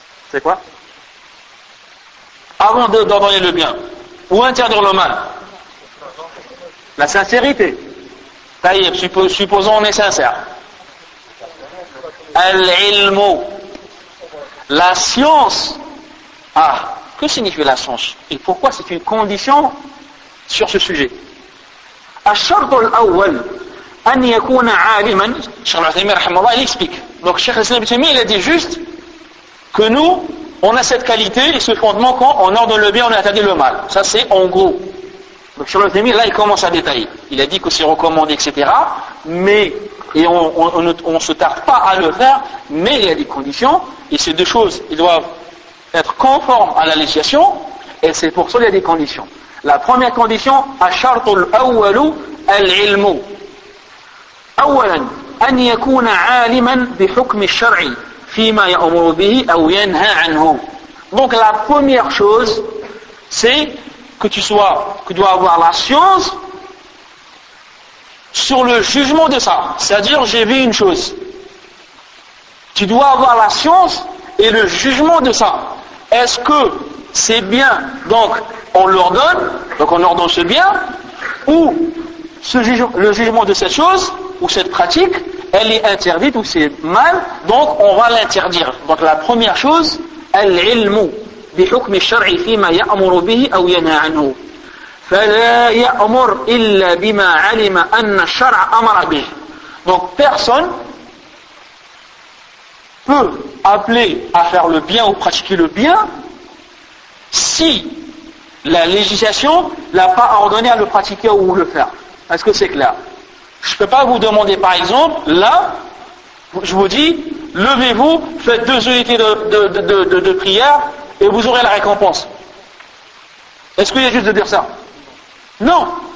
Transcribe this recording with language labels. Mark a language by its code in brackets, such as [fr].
[fr] C'est quoi? Avant d'ordonner le bien ou interdire le mal, la sincérité. Taïeb, supposons on est sincère. Al-ilmu, la science. Ah, que signifie la science? Et pourquoi c'est une condition sur ce sujet? [ar] الشرط الأول أن يكون عالما. شيخ العثيمين رحمه الله [fr] explique. Donc شيخ الإسلام ابن تيمية, il a dit juste que nous, on a cette qualité et ce fondement quand on ordonne le bien, on interdit le mal. Ça c'est en gros. Donc Cheikh Al-Uthaymeen, là, il commence à détailler. Il a dit que c'est recommandé, etc. Mais, et on se tarde pas à le faire, mais il y a des conditions, et ces deux choses, ils doivent être conformes à la législation, et c'est pour ça qu'il y a des conditions. La première condition, [ar] الشرط الأول العلم. أولا أن يكون عالما بحكم الشرع فيما يأمر به أو ينهى عنه. [fr] Donc la première chose, c'est que tu dois avoir la science sur le jugement de ça. C'est-à-dire, j'ai vu une chose. Tu dois avoir la science et le jugement de ça. Est-ce que c'est bien, donc on l'ordonne, donc on ordonne ce bien, ou le jugement de cette chose, ou cette pratique, elle est interdite ou c'est mal, donc on va l'interdire. Donc la première chose, al-ilmu. [ar] بحكم الشرع فيما يأمر به أو ينهى عنه فلا يأمر إلا بما علم أن الشرع أمر به. [fr] Donc personne peut appeler à faire le bien ou pratiquer le bien si la législation l'a pas ordonné à le pratiquer ou le faire. Est-ce que c'est clair? Je peux pas vous demander, par exemple, là je vous dis levez-vous, faites deux unités de prière et vous aurez la récompense. Est-ce qu'il y a juste de dire ça? Non.